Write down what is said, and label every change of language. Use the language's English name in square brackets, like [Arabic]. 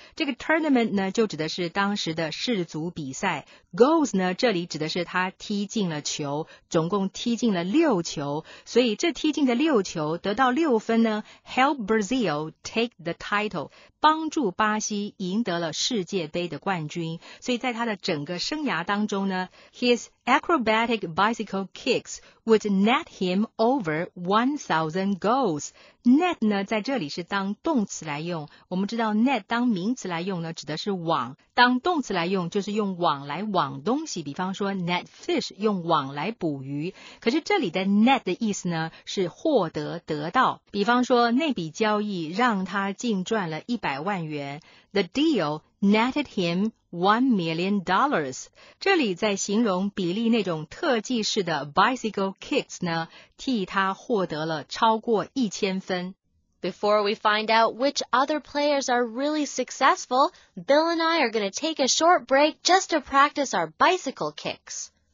[Chinese] 这个 tournament 呢，就指的是当时的世足比赛 ，goals 呢，这里指的是他踢进了球，总共踢进了6球，所以这踢进的6球得到6分呢 ， [English] help Brazil take the title， [Chinese] 帮助巴西赢得了世界杯的冠军。所以在他的整个生涯当中呢 [English] ，his acrobatic bicycle kicks would net him over 1,000 goals。 [Chinese] net 呢在这里是当动词来用，我们知道 net 当名词来用呢指的是网，当动词来用就是用网来网东西，比方说 [English] net fish [Chinese] 用网来捕鱼，可是这里的 net 的意思呢是获得得到，比方说那笔交易让他净赚了100万元， [English] the deal netted him $1 million。 [Chinese] 这里在形容比利那种特技式的 bicycle kicks 呢，替他获得了超过1000分。 [English] Before we find out which other players are really successful, Bill and I are going to take a short break just to practice our bicycle kicks.